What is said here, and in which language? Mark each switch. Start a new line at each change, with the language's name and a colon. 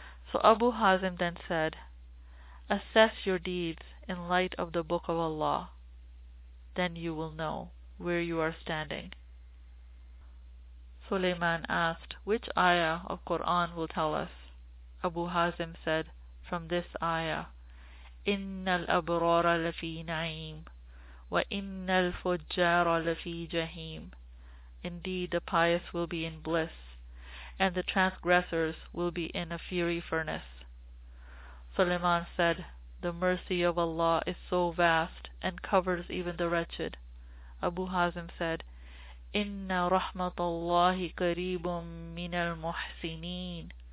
English: So Abu Hazim then said, assess your deeds in light of the Book of Allah, then you will know where you are standing. Sulaiman asked, which ayah of Quran will tell us? Abu Hazim said, from this ayah,
Arabic: إِنَّ الْأَبْرَارَ لَفِي نَعِيمٍ وَإِنَّ الْفُجَّارَ لَفِي جَهِيمٍ.
English: Indeed, the pious will be in bliss, and the transgressors will be in a fiery furnace. Sulaiman said, the mercy of Allah is so vast and covers even the wretched. Abu Hazim said,
Arabic: Inna rahmatullahi qareebun minal muhsineen.